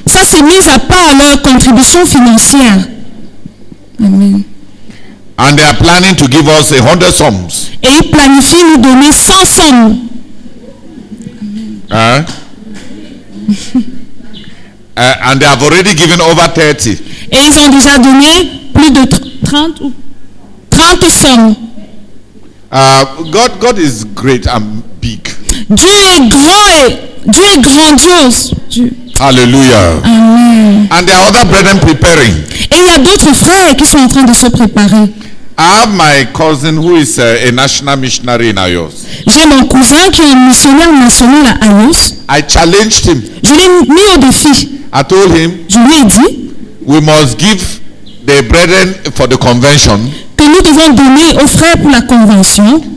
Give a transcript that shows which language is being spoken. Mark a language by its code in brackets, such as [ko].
[fr] Ça c'est mis à part leur contribution financière. Amen. [en] And they are planning to give us 100 sums. [fr] Et ils planifient nous donner 100 sommes. Amen. Hein? [en] And they have already given over 30. [fr] Et ils ont déjà donné plus de 30 sommes. [en] God is great and big. [fr] Dieu est grand et Dieu est grandiose. Hallelujah. Amen. [en] And there are other brethren preparing. [fr] Et il y a d'autres frères qui sont en train de se préparer. [en] I have my cousin who is a national missionary in Ayos. [fr] J'ai mon cousin qui est missionnaire national à Ayos. [en] I challenged him. [fr] Je l'ai mis au défi. [en] I told him. [fr] Je lui ai dit. [en] We must give the brethren for the convention. [fr] Que nous devons donner aux frères pour la convention.